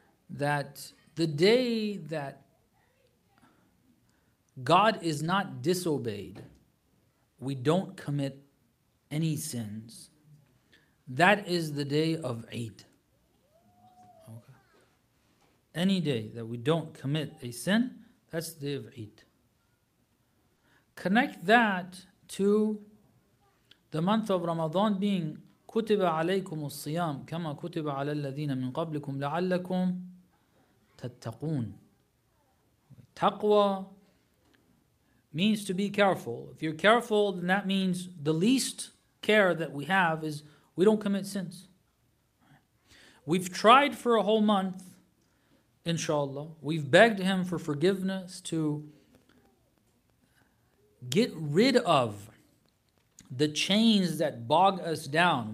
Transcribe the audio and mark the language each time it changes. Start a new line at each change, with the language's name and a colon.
English: That the day that God is not disobeyed, we don't commit any sins, that is the day of Eid. Okay. Any day that we don't commit a sin, that's the day of Eid. Connect that to the month of Ramadan being
Arabic: كُتِبَ عَلَيْكُمُ الصِّيَامُ كَمَا كُتِبَ عَلَى الَّذِينَ مِنْ قَبْلِكُمْ لَعَلَّكُمْ تَتَّقُونَ.
English: Taqwa means to be careful. If you're careful, then that means the least care that we have is we don't commit sins. We've tried for a whole month, inshallah. We've begged him for forgiveness to get rid of the chains that bog us down.